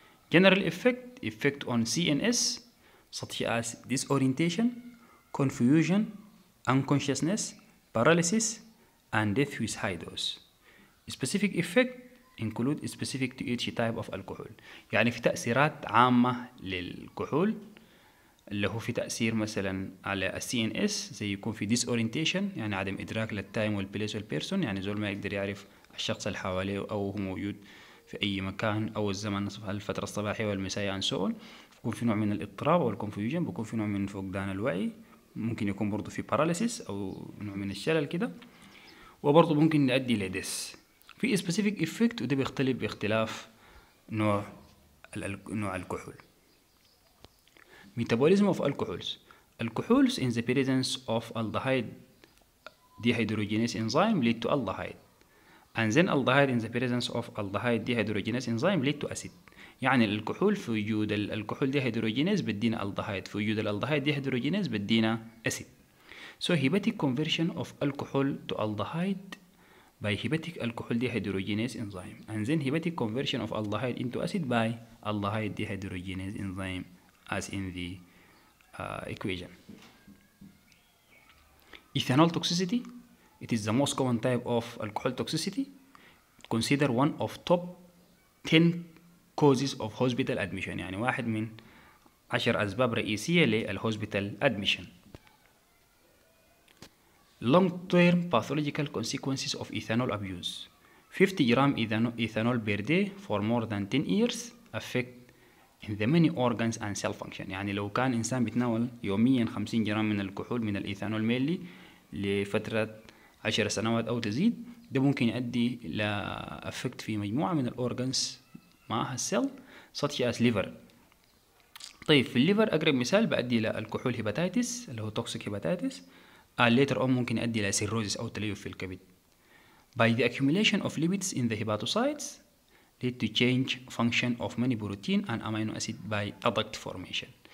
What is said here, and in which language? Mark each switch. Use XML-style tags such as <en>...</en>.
<en>General effect, effect on CNS such as disorientation, confusion, unconsciousness, paralysis, and death with high dose. Specific effect include specific to each type of alcohol.</en> <ar>يعني في تأثيرات عامة للكحول اللي هو في تأثير مثلا على CNS زي يكون في disorientation يعني عدم إدراك للتايم والبليس والبيرسون يعني زول ما يقدر يعرف الشخص اللي حواليه أو هو موجود في أي مكان أو الزمن الفترة الصباحية والمسائية عن سؤال. يكون في نوع من الاضطراب أو الكونفوجين, بيكون في نوع من فقدان الوعي, ممكن يكون برضو في باراليسيس أو نوع من الشلل كده, وبرضو ممكن يؤدي لديس. في</ar> <en>specific effect</en> <ar>وده بيختلف باختلاف نوع الكحول.</ar> <en>Metabolism of alcohols. Alcohols in the presence of aldehyde dehydrogenase enzyme lead to aldehyde, and then aldehyde in the presence of aldehyde dehydrogenase enzyme lead to acid.</en> <ar>يعني الكحول في وجود الكحول دي هيدروجينيز بدينا الالدهايد, في وجود الالدهايد دي هيدروجينيز بدينا اسيد.</ar> <en>So hepatic conversion of alcohol to aldehyde by hepatic alcohol dehydrogenase enzyme and then hepatic conversion of aldehyde into acid by aldehyde dehydrogenase enzyme as in the equation. Ethanol toxicity, it is the most common type of alcohol toxicity. Consider one of top 10 causes of hospital admission.</en> <ar>يعني واحد من عشر أسباب رئيسية للhospital admission.</ar> <en>Long term pathological consequences of ethanol abuse. 50 gram ethanol per day for more than 10 years affect in the many organs and cell function.</en> <ar>يعني لو كان إنسان بتناول يوميا 50 جرام من الكحول من الإيثانول ميلي لفترة 10 سنوات أو تزيد, ده ممكن يؤدي ل effect في مجموعة من الأورغانس معها السيل</ar> <en>such as liver.</en> <ar>طيب في الليفر أقرب مثال بأدي للكحول هيباتيتس اللي هو</ar> <en>toxic hepatitis. later on</en> <ar>ممكن أدي لسيروزيس أو تليف في الكبد.</ar> <en>By the accumulation of lipids in the hepatocytes lead to change function of many protein and amino acid by adduct formation.</en>